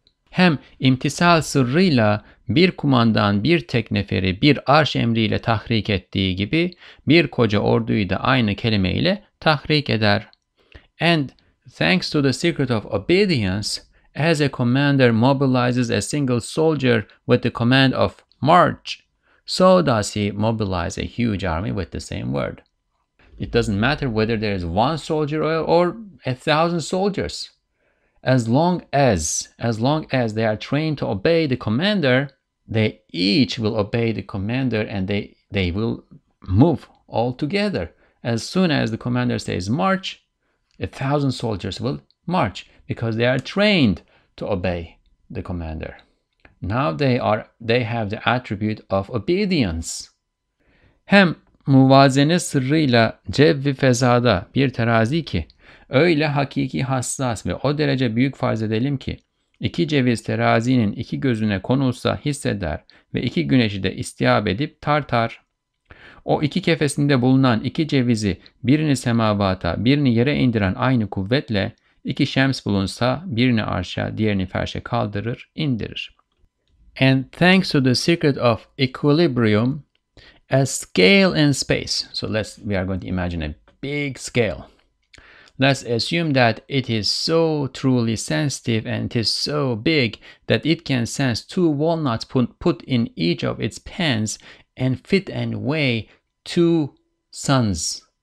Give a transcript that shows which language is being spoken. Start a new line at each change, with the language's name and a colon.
Turkish: Hem imtisal sırrıyla bir kumandan bir tek neferi bir arş emriyle tahrik ettiği gibi bir koca orduyu da aynı kelimeyle tahrik eder.
English: And thanks to the secret of obedience, as a commander mobilizes a single soldier with the command of march, so does he mobilize a huge army with the same word. It doesn't matter whether there is one soldier or 1,000 soldiers. As long as they are trained to obey the commander, they each will obey the commander, and they will move all together. As soon as the commander says march, 1,000 soldiers will march, because they are trained to obey the commander. Now they have the attribute of obedience.
Turkish: Hem muvazene sırrıyla cevvi fezada bir terazi ki öyle hakiki hassas ve o derece büyük farz edelim ki iki ceviz terazinin iki gözüne konulsa hisseder ve iki güneşi de istiab edip tartar. O iki kefesinde bulunan iki cevizi birini semavata birini yere indiren aynı kuvvetle iki şems bulunsa birini arşa diğerini ferşe kaldırır indirir.
English: And thanks to the secret of equilibrium, a scale in space. So we are going to imagine a big scale. Let's assume that it is so truly sensitive and it is so big that it can sense two walnuts put in each of its pans and fit and weigh two suns.